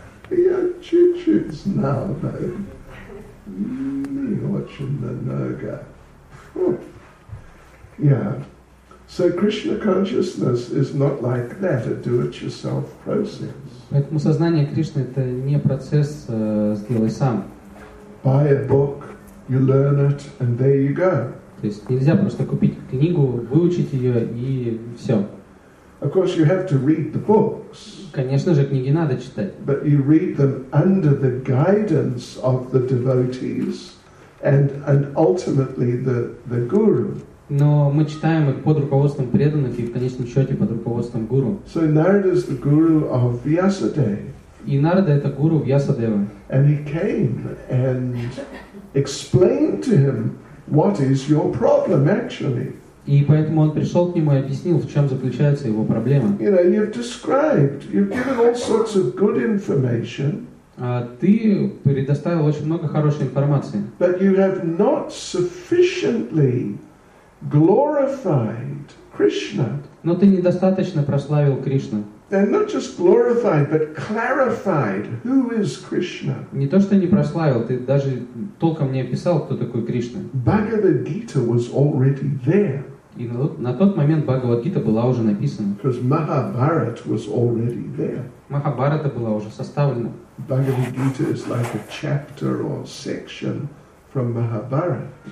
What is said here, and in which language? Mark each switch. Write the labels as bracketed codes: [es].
[ru] Я чуть-чуть знал, но не очень много. [en] So Krishna consciousness is not like that, a do-it-yourself process. [ru] Поэтому сознание Кришны это не процесс сделай сам. [en] Buy a book, you learn it, and there you go. [ru] То есть нельзя просто купить книгу, выучить ее и все. [en] Of course, you have to read the books. [ru] Конечно же, книги надо читать. [en] But you read them under the guidance of the devotees, and ultimately the guru. [ru] Но мы читаем их под руководством преданных и в конечном счете под руководством гуру. [en] So Narada is the guru of Vyasadeva. [ru] И Нарада это гуру Вьясадева. [en] And he came and explained to him what is your problem actually. [ru] И поэтому он пришел к нему и объяснил, в чем заключается его проблема. [en] You know, you've described, you've given all sorts of good information. [ru] Ты предоставил очень много хорошей информации. [en] But you have not sufficiently glorified Krishna. [ru] Но ты недостаточно прославил Кришну. [en] And not just glorified, but clarified who is Krishna. [ru] Не то, что не прославил, ты даже толком не описал, кто такой Кришна. [en] Bhagavad Gita was already there. [ru] И на тот момент Бхагавад Гита была уже написана. [en] Because Mahabharata was already there. [ru] Махабхарата была уже составлена. [en] Bhagavad Gita is like a chapter or section from Mahabharata.